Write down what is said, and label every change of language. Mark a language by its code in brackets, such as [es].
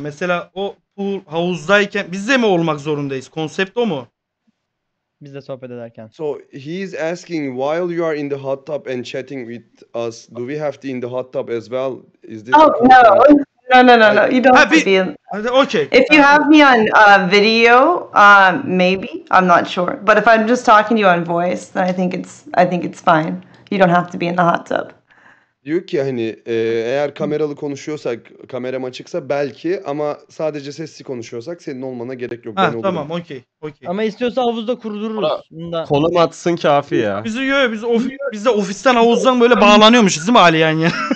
[tr] Mesela o pool havuzdayken biz de mi olmak zorundayız? Konsept o mu? Biz de sohbet ederken. [en] So he is asking, while you are in the hot tub and chatting with us, do we have to in the hot tub as well? Is this oh no. No. You don't have to be in. Okay. If you have me on video, maybe. I'm not sure. But if I'm just talking to you on voice, then I think it's fine. You don't have to be in the hot tub. [tr] Diyor ki hani eğer kameralı konuşuyorsak, kameram açıksa belki, ama sadece sesli konuşuyorsak senin olmana gerek yok. Ha, ben tamam, olurum. Okey. Ama istiyorsa havuzda kurdururuz. Kolum atsın kafi ya. Biz de ofisten havuzdan böyle bağlanıyormuşuz değil mi Ali yani?